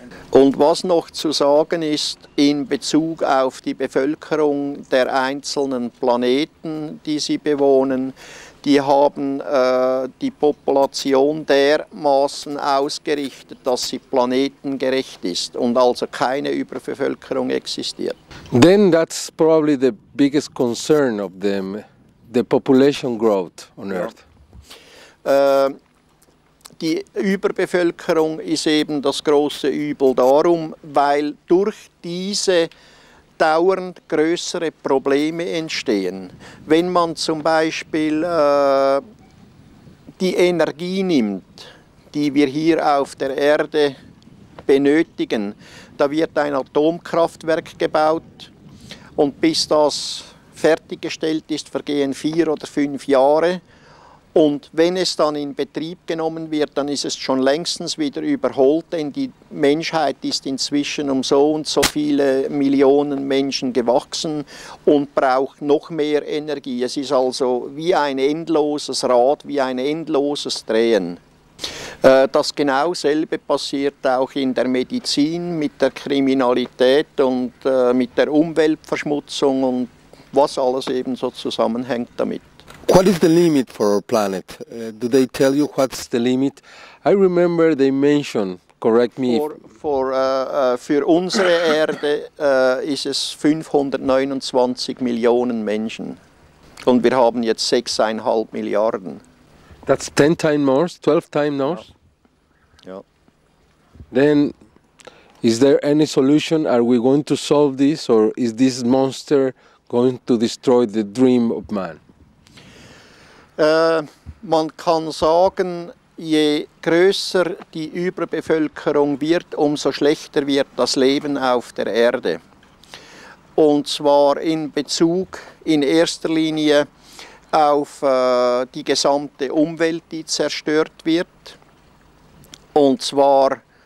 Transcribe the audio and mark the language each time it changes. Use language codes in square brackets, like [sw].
[de] Und was noch zu sagen ist, in Bezug auf die Bevölkerung der einzelnen Planeten, die sie bewohnen, die haben die Population dermaßen ausgerichtet, dass sie planetengerecht ist und also keine Überbevölkerung existiert. [en] Then that's probably the biggest concern of them, the population growth on Earth. [de] Ja. Die Überbevölkerung ist eben das große Übel darum, weil durch diese dauernd größere Probleme entstehen. Wenn man zum Beispiel die Energie nimmt, die wir hier auf der Erde benötigen, da wird ein Atomkraftwerk gebaut und bis das fertiggestellt ist, vergehen 4 oder 5 Jahre. Und wenn es dann in Betrieb genommen wird, dann ist es schon längstens wieder überholt, denn die Menschheit ist inzwischen um so und so viele Millionen Menschen gewachsen und braucht noch mehr Energie. Es ist also wie ein endloses Rad, wie ein endloses Drehen. Das genau selbe passiert auch in der Medizin mit der Kriminalität und mit der Umweltverschmutzung und was alles eben so zusammenhängt damit. [en] What is the limit for our planet? Do they tell you what's the limit? I remember they mentioned, correct me. [de] Für unsere Erde ist es 529 Millionen Menschen. Und wir haben jetzt 6,5 Milliarden. [en] That's 10 times more, 12 times more? Yeah. Yeah. Then, is there any solution? Are we going to solve this? Or is this monster going to destroy the dream of man? [de] Man kann sagen, je größer die Überbevölkerung wird, umso schlechter wird das Leben auf der Erde. Und zwar in Bezug in erster Linie auf die gesamte Umwelt, die zerstört wird. Und zwar